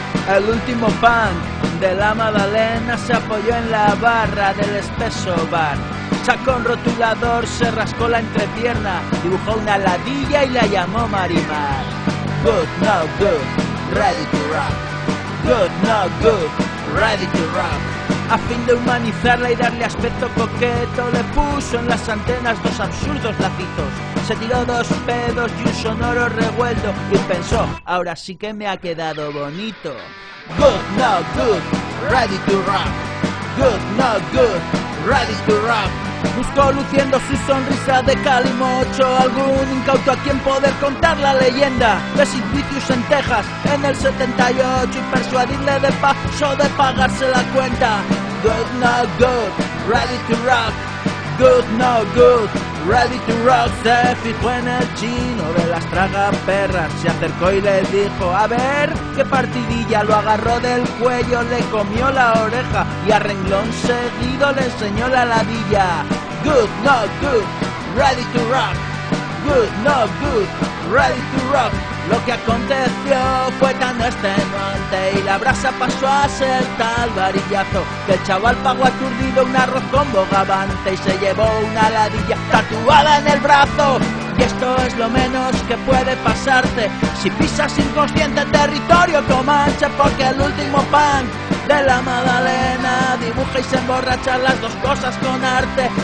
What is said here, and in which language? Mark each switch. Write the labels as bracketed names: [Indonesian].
[Spanish] El último fan de la Madalena se apoyó en la barra del espeso bar. Sacó un rotulador, se rascó la entrepierna, dibujó una ladilla y la llamó Marimar. [English] Good, no good, ready to rap. Good, no good, ready to rap. [Spanish] A fin de humanizarla y darle aspecto coqueto, le puso en las antenas dos absurdos lacitos. Se tiró dos pedos y un sonoro revuelto y pensó, ahora sí que me ha quedado bonito. [English] Good, no good, ready to rap. Good, no good, ready to rap. [Spanish] Buscó luciendo su sonrisa de calimocho algún incauto a quien poder contar la leyenda de Sid Vicious en Texas en el 78 y persuadirle de paso de pagarse la cuenta. [English] Good, no good, ready to rock. Good, no good, ready to rock. [Spanish] Se fijó en el chino de las tragaperras, se acercó y le dijo, a ver qué partidilla. Lo agarró del cuello, le comió la oreja y a renglón seguido le enseñó la ladilla. [English] Good, no good, ready to rock. Good, no good, ready to rock. [Spanish] Lo que aconteció fue tan extenuante y la brasa pasó a ser tal varillazo que el chaval pagó aturdido un arroz con bogavante y se llevó una ladilla tatuada en el brazo. Y esto es lo menos que puede pasarte si pisas inconsciente territorio comanche, porque el último punk de la Madalena dibuja y se emborracha las dos cosas con arte.